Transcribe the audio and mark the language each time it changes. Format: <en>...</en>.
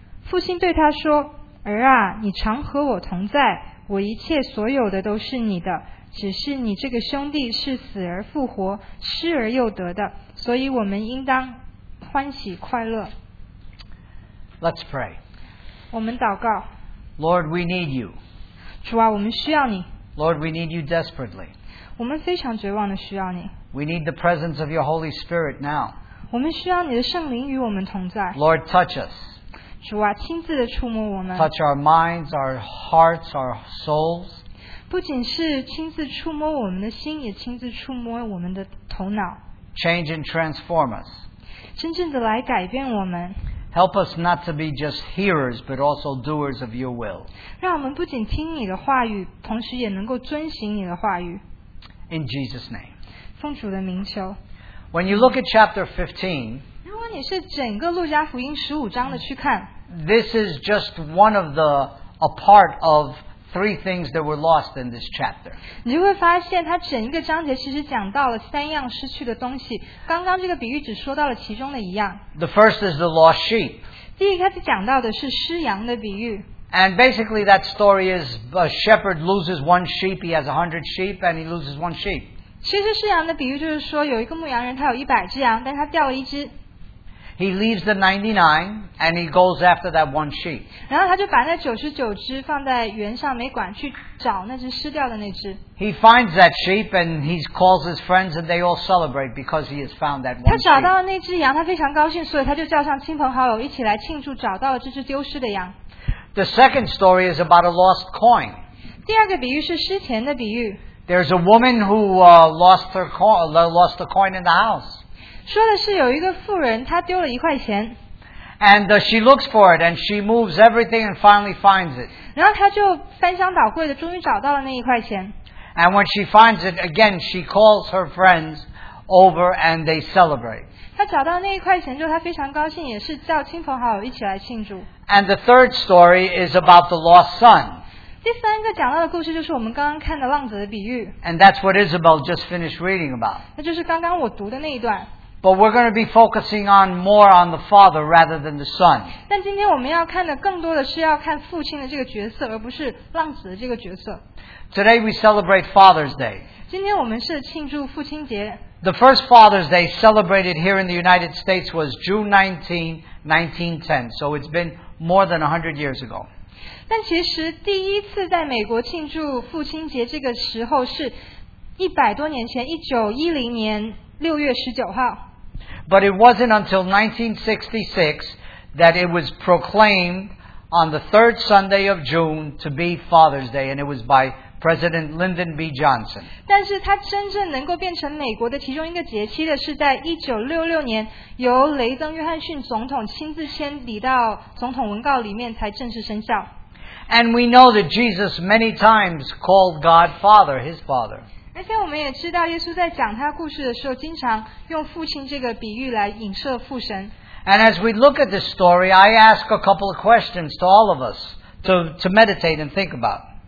<zh>父亲对他说，儿啊，你常和我同在，我一切所有的都是你的，只是你这个兄弟是死而复活，失而又得的，所以我们应当欢喜快乐。</zh> <en>Let's pray.</en> <zh>我们祷告。</zh> <en>Lord, we need you.</en> <zh>主啊，我们需要你。</zh> <en>Lord, we need you desperately.</en> <zh>我们非常绝望的需要你。</zh> <en>We need the presence of your Holy Spirit now.</en> <zh>我们需要你的圣灵与我们同在。</zh> <en>Lord, touch us.</en> <zh>主啊，亲自的触摸我们。</zh> <en>Touch our minds, our hearts, our souls.</en> <zh>不仅是亲自触摸我们的心，也亲自触摸我们的头脑。</zh> <en>Change and transform us.</en> <zh>真正的来改变我们。</zh> <en>Help us not to be just hearers, but also doers of your will.</en> <zh>让我们不仅听你的话语，同时也能够遵行你的话语。</zh> <en>In Jesus' name.</en> <zh>奉主的名求。</zh> <en>When you look at chapter 15,</en> <zh>如果你是整个路加福音十五章的去看，</zh> <en>this is just one of the, a part of three things that were lost in this chapter.</en> <zh>你就会发现它整一个章节其实讲到了三样失去的东西，刚刚这个比喻只说到了其中的一样。</zh> <en>The first is the lost sheep.</en> <zh>第一个它讲到的是失羊的比喻。</zh> <en>And basically that story is a shepherd loses one sheep, he has 100 sheep and he loses one sheep.</en> <zh>其实失羊的比喻就是说有一个牧羊人，他有100只羊，但他掉了一只。</zh> <en>He leaves the 99 and he goes after that one sheep.</en> <zh>然后他就把那99只放在园上没管，去找那只失掉的那只。</zh> <en>He finds that sheep and he calls his friends and they all celebrate because he has found that one sheep.</en> <zh>他找到了那只羊，他非常高兴，所以他就叫上亲朋好友一起来庆祝找到了这只丢失的羊。</zh> <en>The second story is about a lost coin.</en> <zh>第二个比喻是失钱的比喻。</zh> <en>There's a woman who lost the coin in the house.</en> <zh>说的是有一个妇人，她丢了一块钱。</zh> <en>And she looks for it, and she moves everything and finally finds it.</en> <zh>然后她就翻箱倒柜的，终于找到了那一块钱。</zh> <en>And when she finds it, again, she calls her friends over and they celebrate.</en> <zh>她找到那一块钱之后，她非常高兴，也是叫亲朋好友一起来庆祝。</zh> <en>And the third story is about the lost son.</en> <zh>第三个讲到的故事就是我们刚刚看的浪子的比喻。</zh> <en>And that's what Isabel just finished reading about.</en> <zh>那就是刚刚我读的那一段。</zh> <en>But we're going to be focusing on more on the father rather than the son.</en> <zh>但今天我们要看的更多的是要看父亲的这个角色，而不是浪子的这个角色。</zh> <en>Today we celebrate Father's Day.</en> <zh>今天我们是庆祝父亲节。</zh> <en>The first Father's Day celebrated here in the United States was June 19, 1910. So it's been more than 100 years ago.</en> <zh>但其实第一次在美国庆祝父亲节这个时候是100多年前，1910年 6月19号.</zh> <en>But it wasn't until 1966 that it was proclaimed on the third Sunday of June to be Father's Day, and it was by President Lyndon B. Johnson.</en> <zh>但是它真正能够变成美国的其中一个节期的是在1966年由雷登约翰逊总统亲自签，提到总统文告里面才正式生效。</zh> <en>And we know that Jesus many times called God Father, His Father.</en> <zh>而且我们也知道耶稣在讲他故事的时候，经常用父亲这个比喻来影射父神。</zh> <en>And as we look at this story, I ask a couple of questions to all of us to meditate and think about.</en>